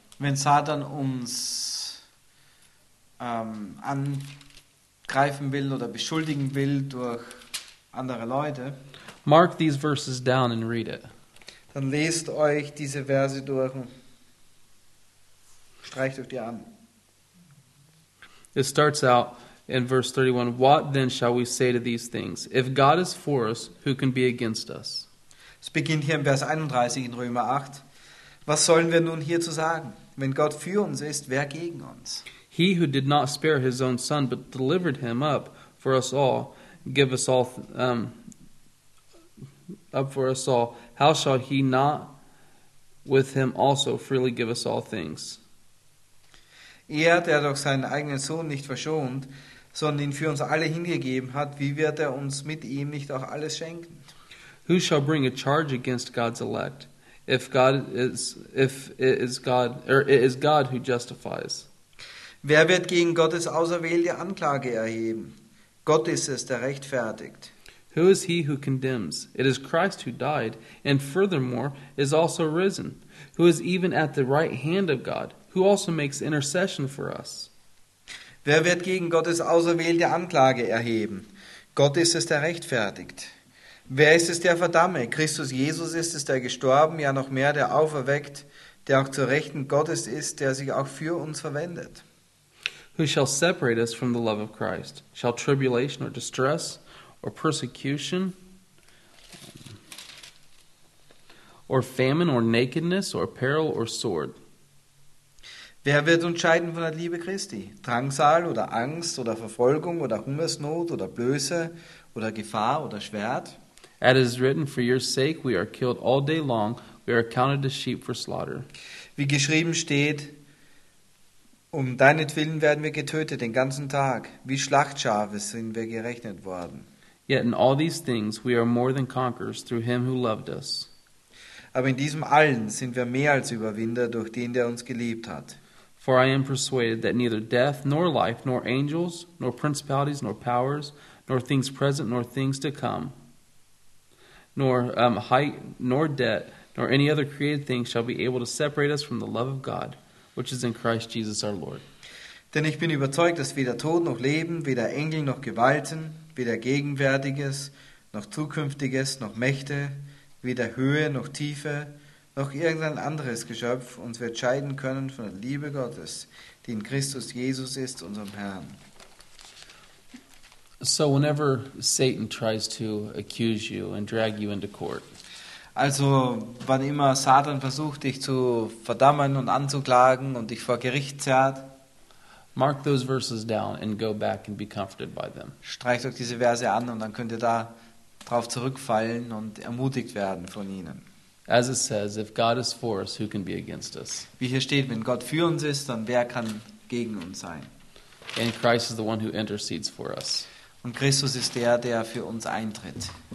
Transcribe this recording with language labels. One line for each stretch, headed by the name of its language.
German: Wenn Satan uns angreifen will oder beschuldigen will durch andere Leute.
English: Mark these verses down and read it.
German: Dann lest euch diese Verse durch und streicht euch die an.
English: It starts out in verse 31. What then shall we say to these things? If God is for us, who can be against us?
German: Es beginnt hier in Vers 31 in Römer 8. Was sollen wir nun hierzu sagen? Wenn Gott für uns ist, wer gegen uns?
English: He who did not spare his own son, but delivered him up for us all, give us all up for us all, how shall he not with him also freely give us all things?
German: Er, der doch seinen eigenen Sohn nicht verschont, sondern ihn für uns alle hingegeben hat, wie wird er uns mit ihm nicht auch alles schenken?
English: Who shall bring a charge against God's elect? If it is God who justifies?
German: Wer wird gegen Gottes Auserwählte Anklage erheben? Gott ist es, der rechtfertigt.
English: Who is he who condemns? It is Christ who died, and furthermore is also risen, who is even at the right hand of God, who also makes intercession for us.
German: Wer wird gegen Gottes Auserwählte Anklage erheben? Gott ist es, der rechtfertigt. Wer ist es, der verdamme? Christus Jesus ist es, der gestorben, ja noch mehr, der auferweckt, der auch zur Rechten Gottes ist, der sich auch für uns verwendet.
English: Who shall separate us from the love of Christ? Shall tribulation or distress or persecution or famine or nakedness or peril or sword?
German: Wer wird uns scheiden von der Liebe Christi? Drangsal oder Angst oder Verfolgung oder Hungersnot oder Blöße oder Gefahr oder Schwert?
English: As it is written, for your sake we are killed all day long, we are counted as sheep for slaughter.
German: Wie geschrieben steht, Um deinetwillen werden wir getötet den ganzen Tag. Wie Schlachtschafe sind wir gerechnet worden.
English: Yet in all these things we are more than conquerors through him who loved us.
German: Aber in diesem allen sind wir mehr als Überwinder durch den, der uns geliebt hat.
English: For I am persuaded that neither death, nor life, nor angels, nor principalities, nor powers, nor things present, nor things to come, nor height, nor debt, nor any other created thing shall be able to separate us from the love of God, which is in Christ Jesus our Lord.
German: Denn ich bin überzeugt, dass weder Tod noch Leben, weder Engel noch Gewalten, weder Gegenwärtiges noch Zukünftiges noch Mächte, weder Höhe noch Tiefe, noch irgendein anderes Geschöpf uns wird scheiden können von der Liebe Gottes, die in Christus Jesus ist, unserem Herrn.
English: So whenever Satan tries to accuse you and drag you into court.
German: Also, wann immer Satan versucht, dich zu verdammen und anzuklagen und dich vor Gericht zerrt,
English: mark those verses down and go back and be comforted by them.
German: Streicht euch diese Verse an und dann könnt ihr da drauf zurückfallen und ermutigt werden von ihnen.
English: As it says, if God is for us, who can be against us?
German: Wie hier steht, wenn Gott für uns ist, dann wer kann gegen uns sein?
English: And Christ is the one who intercedes for us.
German: Und Christus ist der, der für uns eintritt.